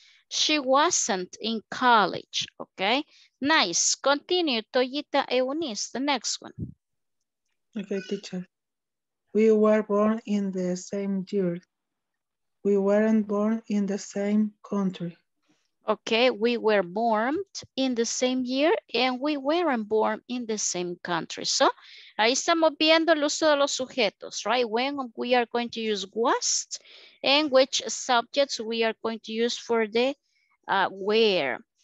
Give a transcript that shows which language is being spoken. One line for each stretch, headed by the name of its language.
English: She wasn't in college, okay? Nice, continue, Toyita Eunice, the next one. Okay, teacher. We were born in the same year. We weren't born in the same country. Okay, we were born in the same year and we weren't born in the same country.
Spanish: So, ahí estamos viendo el uso de los sujetos, right?
English: When we are going to use was and which subjects we are going to use for the where.